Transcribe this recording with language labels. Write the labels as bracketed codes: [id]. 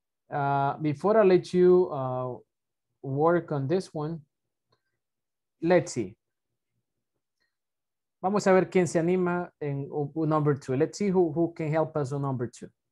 [en] Before I let you work on this one, let's see. [es] Vamos a ver quién se anima en [en] number two. Let's see who can help us on number two.